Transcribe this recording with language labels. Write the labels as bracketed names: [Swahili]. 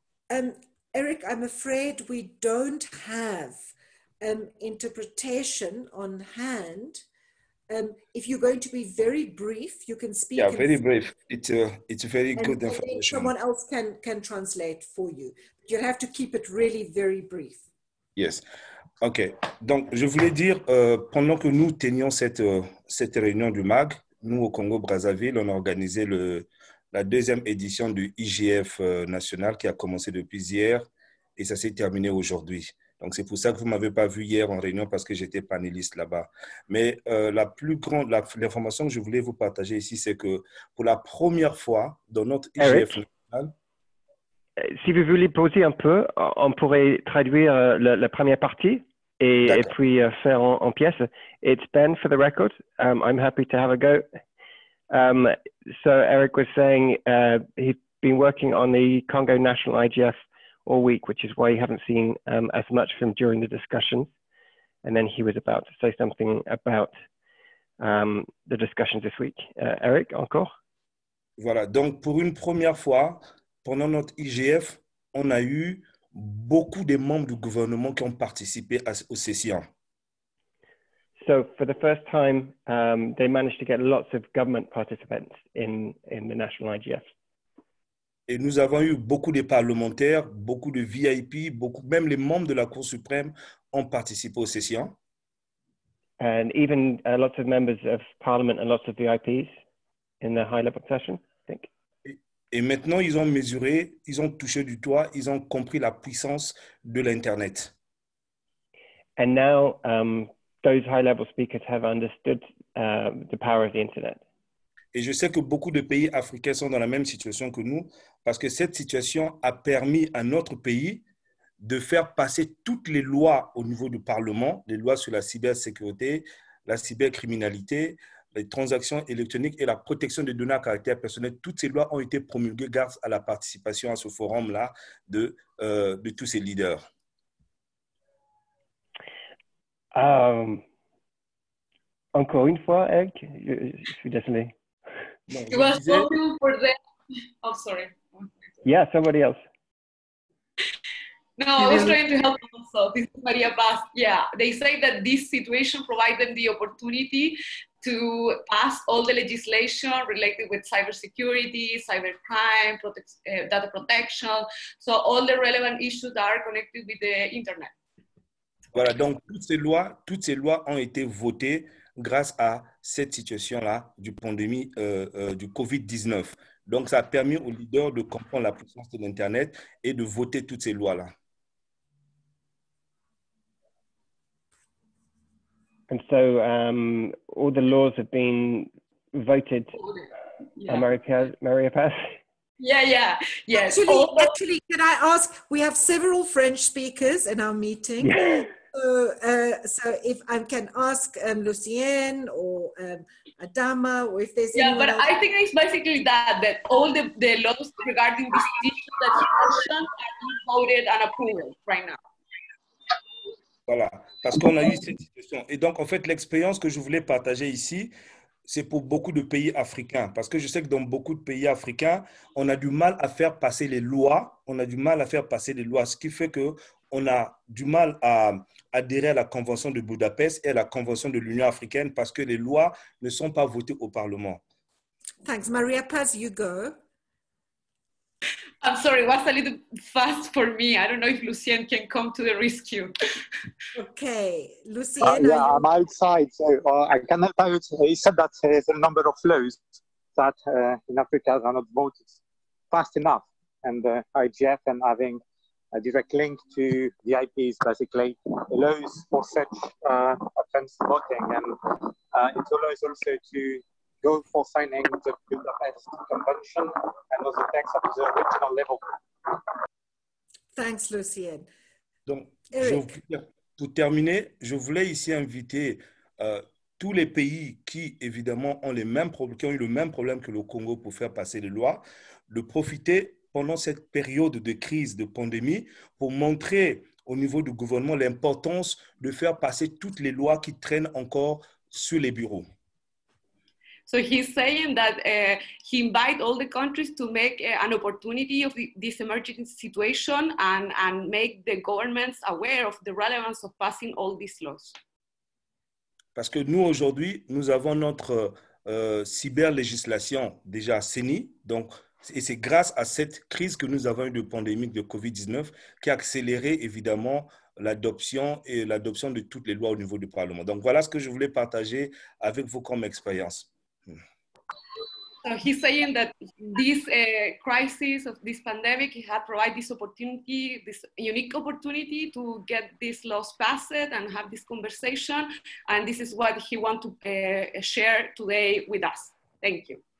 [English] Eric, I'm afraid we don't have interpretation on hand. If you're going to be very brief, you can speak. Yeah, very brief. It's a very good information. Someone else can translate for you. You'll have to keep it really very brief. Yes. OK. [French] Donc, je voulais dire, pendant que nous tenions cette réunion du MAG, nous, au Congo-Brazzaville, on a organisé la deuxième édition du IGF national qui a commencé depuis hier et ça s'est terminé aujourd'hui. Donc, c'est pour ça que vous ne m'avez pas vu hier en réunion parce que j'étais panéliste là-bas. Mais l'information que je voulais vous partager ici, c'est que pour la première fois dans notre IGF Eric, national... si vous voulez poser un peu, on pourrait traduire la première partie et puis faire en pièce. [English] It's Ben for the record. I'm happy to have a go. So Eric was saying he'd been working on the Congo National IGF all week, which is why you haven't seen as much of him during the discussions. And then he was about to say something about the discussions this week. [French] Eric, encore? Voilà, donc pour une première fois, pendant notre IGF, on a eu beaucoup de membres du gouvernement qui ont participé aux sessions. [English] So for the first time, they managed to get lots of government participants in the national IGF. [French] Et nous avons eu beaucoup de parlementaires, beaucoup de VIP, beaucoup, même les membres de la Cour suprême ont participé aux sessions. [English] And even lots of members of parliament and lots of VIPs in the high-level session, I think. [French] Et maintenant, ils ont mesuré, ils ont touché du doigt, ils ont compris la puissance de l'Internet. [English] And now, those high-level speakers have understood the power of the Internet. [French] Et je sais que beaucoup de pays africains sont dans la même situation que nous parce que cette situation a permis à notre pays de faire passer toutes les lois au niveau du Parlement, les lois sur la cybersécurité, la cybercriminalité, les transactions électroniques et la protection des données à caractère personnel. Toutes ces lois ont été promulguées grâce à la participation à ce forum-là de tous ces leaders. Encore une fois, Eric, je suis désolé. [English] You are so good for that. Oh, sorry. Yeah, somebody else. No, I was trying to help also. This is Maria Bass. Yeah, they say that this situation provided them the opportunity to pass all the legislation related with cybersecurity, cybercrime, data protection. So all the relevant issues are connected with the internet. [French] Voilà, donc toutes ces lois ont été votées grâce à cette situation-là du pandémie du COVID-19. Donc, ça a permis aux leaders de comprendre la puissance de l'Internet et de voter toutes ces lois-là. [English] And so all the laws have been voted, yeah. Maria Paz? Yeah, yeah, yes. Actually, can I ask, we have several French speakers in our meeting. Yeah. So if I can ask Lucien or Adama, or if there's anyone. Yeah, but else. I think it's basically that all the laws regarding this issue that you mentioned are being voted and approved right now. [French] Voilà, parce qu'on a eu cette situation. Et donc, en fait, l'expérience que je voulais partager ici, c'est pour beaucoup de pays africains. Parce que je sais que dans beaucoup de pays africains, on a du mal à faire passer les lois. On a du mal à faire passer les lois, ce qui fait qu'on a du mal à adhérer à la Convention de Budapest et à la Convention de l'Union africaine parce que les lois ne sont pas votées au Parlement. [English] Thanks. Maria Paz, you go. I'm sorry, it was a little fast for me. I don't know if Lucien can come to the rescue. Okay, Lucien. I'm outside, so I cannot vote. He said that the number of laws that in Africa are not voted fast enough, and IGF and having a direct link to the IPs basically allows for such offensive voting, and it allows also to go for signing the Budapest Convention and those effects at the original level. Thanks, Lucien. [French] Donc, pour terminer, je voulais ici inviter tous les pays qui, évidemment, ont eu le même problème que le Congo pour faire passer les lois, de profiter pendant cette période de crise, de pandémie, pour montrer au niveau du gouvernement l'importance de faire passer toutes les lois qui traînent encore sur les bureaux. [English] So he's saying that he invites all the countries to make an opportunity of this emerging situation and make the governments aware of the relevance of passing all these laws. [French] Parce que nous, aujourd'hui, nous avons notre cyber-législation déjà assainie. Donc, et c'est grâce à cette crise que nous avons eu de pandémie de COVID-19 qui a accéléré, évidemment, l'adoption de toutes les lois au niveau du Parlement. Donc, voilà ce que je voulais partager avec vous comme expérience. [English] So he's saying that this crisis of this pandemic has provided this opportunity, this unique opportunity to get these laws passed and have this conversation. And this is what he wants to share today with us. Thank you.